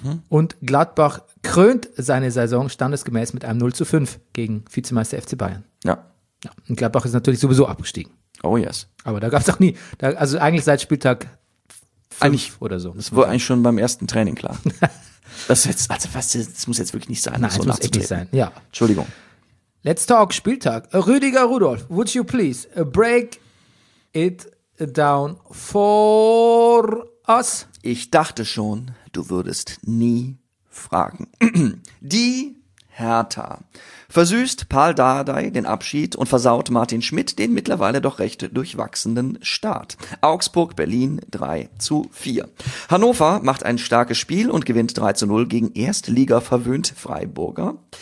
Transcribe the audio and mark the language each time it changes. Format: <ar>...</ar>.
<de>Und Gladbach krönt seine Saison standesgemäß mit einem 0:5 gegen Vizemeister FC Bayern. Ja. Ja. Und Gladbach ist natürlich sowieso abgestiegen.</de> <en>Oh yes.</en> <de>Aber da gab es auch nie, also eigentlich seit Spieltag 5 oder so. Das war eigentlich schon beim ersten Training klar. Das muss jetzt wirklich nicht sein. Nein, das muss echt nicht sein. Ja. Entschuldigung.</de> <en>Let's talk, Spieltag. Rüdiger Rudolph, would you please break it down for us?</en> <de>Ich dachte schon, du würdest nie fragen. Die Hertha versüßt Paul Dardai den Abschied und versaut Martin Schmidt den mittlerweile doch recht durchwachsenen Start. Augsburg, Berlin 3:4. Hannover macht ein starkes Spiel und gewinnt 3:0 gegen Erstliga-verwöhnt Freiburger.</de>